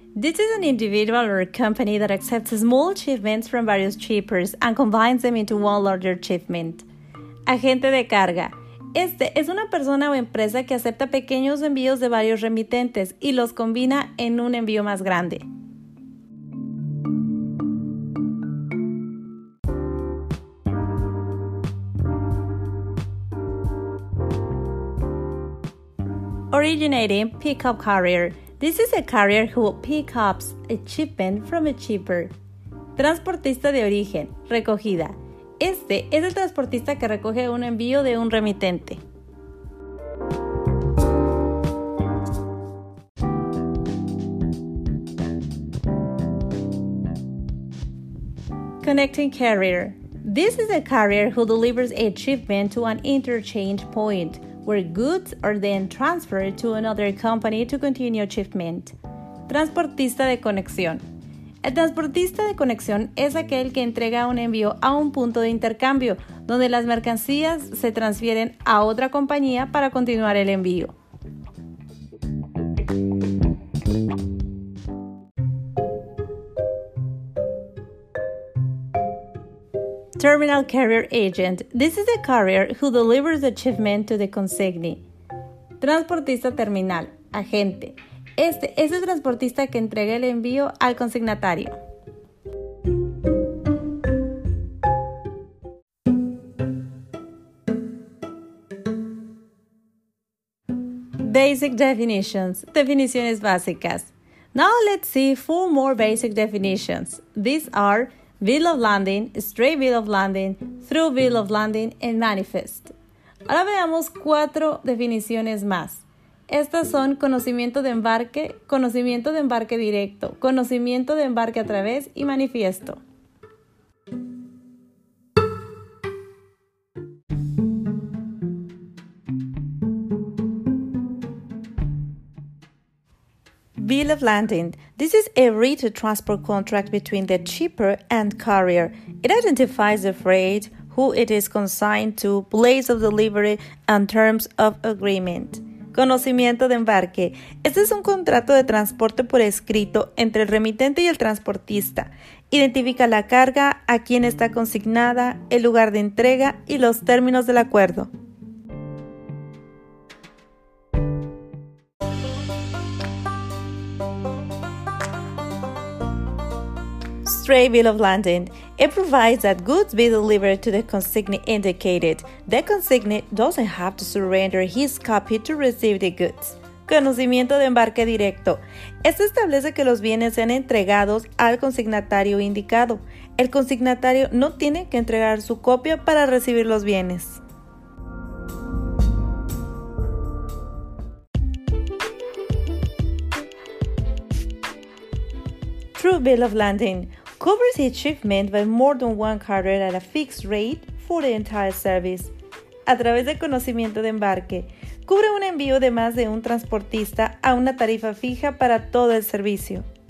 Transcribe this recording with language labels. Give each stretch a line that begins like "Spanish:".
English: This is an individual or a company that accepts small shipments from various shippers and combines them into one larger shipment.
Spanish: Agente de carga. Este es una persona o empresa que acepta pequeños envíos de varios remitentes y los combina en un envío más grande.
English: Originating pickup carrier. This is a carrier who picks up a shipment from a shipper.
Spanish: Transportista de origen, recogida. Este es el transportista que recoge un envío de un remitente.
English: Connecting carrier. This is a carrier who delivers a shipment to an interchange point, where goods are then transferred to another company to continue shipment.
Spanish: Transportista de conexión. El transportista de conexión es aquel que entrega un envío a un punto de intercambio, donde las mercancías se transfieren a otra compañía para continuar el envío.
English: Terminal Carrier Agent. This is the carrier who delivers the shipment to the consignee.
Spanish: Transportista terminal, agente. Este es el transportista que entrega el envío al consignatario.
English: Basic definitions.
Spanish: Definiciones básicas.
English: Now let's see four more basic definitions. These are bill of lading, straight bill of lading, through bill of lading, and manifest.
Spanish: Ahora veamos cuatro definiciones más. Estas son conocimiento de embarque directo, conocimiento de embarque a través y manifiesto.
English: Bill of lading. This is a written transport contract between the shipper and carrier. It identifies the freight, who it is consigned to, place of delivery, and terms of agreement.
Spanish: Conocimiento de embarque. Este es un contrato de transporte por escrito entre el remitente y el transportista. Identifica la carga, a quién está consignada, el lugar de entrega y los términos del acuerdo.
English: Straight bill of lading. It provides that goods be delivered to the consignee indicated. The consignee doesn't have to surrender his copy to receive the goods.
Spanish: Conocimiento de embarque directo. Esto establece que los bienes sean entregados al consignatario indicado. El consignatario no tiene que entregar su copia para recibir los bienes.
English: True bill of lading. Covers each shipment by more than one carrier at a fixed rate for the entire service.
Spanish: A través de conocimiento de embarque, cubre un envío de más de un transportista a una tarifa fija para todo el servicio.